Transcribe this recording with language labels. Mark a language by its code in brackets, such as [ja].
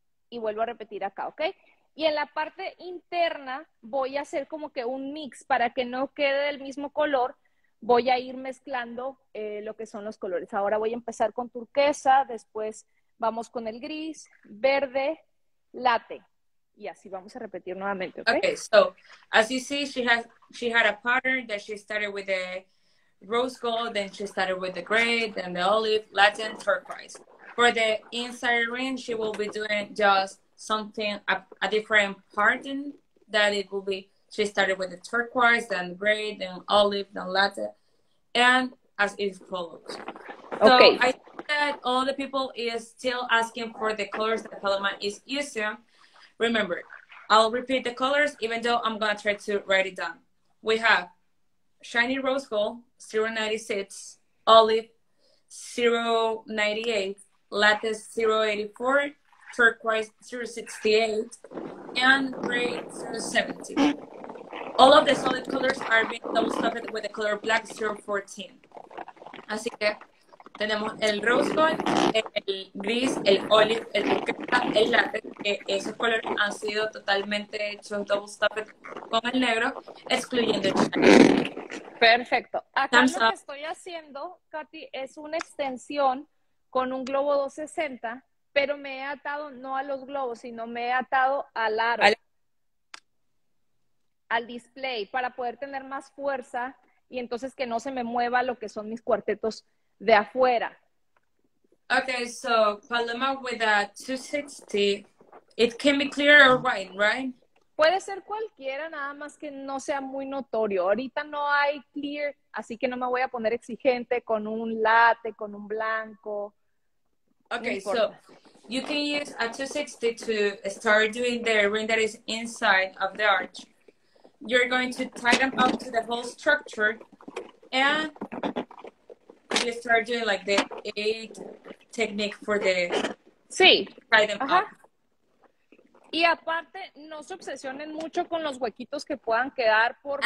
[es] Y vuelvo a repetir acá, ¿ok? Y en la parte interna voy a hacer como que un mix para que no quede del mismo color. Voy a ir mezclando lo que son los colores. Ahora voy a empezar con turquesa, después vamos con el gris, verde, latte. Y así vamos a repetir nuevamente, ¿ok? [en] Okay, so, as you see, she had a pattern that she started with the rose gold, then she started with the gray, then the olive, latte, and turquoise. For the inside ring, she will be doing just something, a different pattern that it will be. She started with the turquoise, then gray, then olive, then latte, and as it follows. So okay. I think that all the people is still asking for the colors that Paloma is using. Remember, I'll repeat the colors, even though I'm going to try to write it down. We have shiny rose gold, 096, olive, 098, latte, 084, turquoise, 068, and gray, 070. All of the solid colors are being double-stuffed with the color black 014. [es] Así que tenemos el rose gold, el gris, el olive, el turquesa, el latte, que esos colores han sido totalmente hechos double-stuffed con el negro, excluyendo el shiny. Perfecto. Acá lo que estoy haciendo, Katy, es una extensión con un globo 260, pero me he atado no a los globos, sino me he atado al aro. Al display para poder tener más fuerza y entonces que no se me mueva lo que son mis cuartetos de afuera. [en] Okay, so Paloma with a 260, it can be clear or white, right? [es] Puede ser cualquiera, nada más que no sea muy notorio. Ahorita no hay clear, así que no me voy a poner exigente con un latte, con un blanco. [en] Okay, no so you can use a 260 to start doing the ring that is inside of the arch. You're going to tie them up to the whole structure and you start doing like the 8 technique for the [es] sí. [en] Tie them up. [es] Y aparte, no se obsesionen mucho con los huequitos que puedan quedar porque...